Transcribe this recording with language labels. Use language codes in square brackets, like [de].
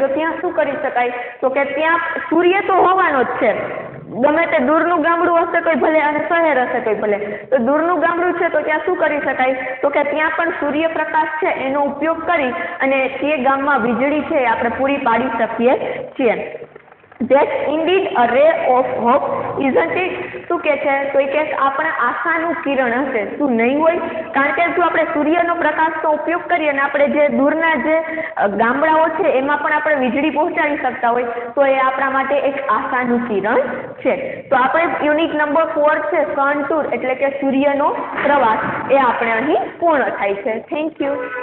[gu] તો ત્યાં શું કરી શકાય, તો કે ત્યાં સૂર્ય તો હોવાનો જ છે, ગમે તે દૂરનું ગામડું હશે કોઈ ભલે અને શહેર હશે કોઈ ભલે, તો દૂરનું ગામડું છે તો ત્યાં શું કરી શકાય, તો કે ત્યાં પણ સૂર્યપ્રકાશ છે એનો ઉપયોગ કરી અને તે ગામમાં વીજળી છે એ આપણે પૂરી પાડી શકીએ છીએ. [en] That indeed a ray of hope, isn't it? [gu] શું કહે છે, તો એ કહે છે આપણા આશાનું કિરણ હશે, શું નહીં હોય. કારણ કે જો આપણે સૂર્યનો પ્રકાશનો ઉપયોગ કરીએ અને આપણે જે દૂરના જે ગામડાઓ છે એમાં પણ આપણે વીજળી પહોંચાડી શકતા હોય તો એ આપણા માટે એક આશાનું કિરણ છે. તો આપણે યુનિટ નંબર 4 છે સન ટૂર એટલે કે સૂર્યનો પ્રવાસ એ આપણે અહીં પૂર્ણ થાય છે. Thank you.